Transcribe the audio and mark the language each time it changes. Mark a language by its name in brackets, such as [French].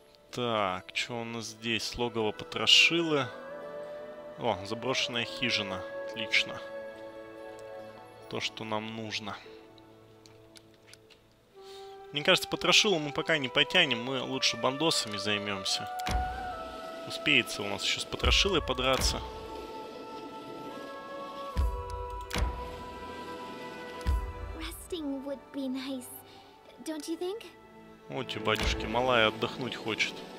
[Russian] Так, что у нас здесь? Логово потрошилы. О, заброшенная хижина. Отлично. То, что нам нужно. Мне кажется, потрошилу мы пока не потянем. Мы лучше бандосами займемся. Успеется у нас еще с потрошилой подраться. [English] Resting would be nice, don't you think? [Russian] О, тебе, батюшки, малая отдохнуть хочет.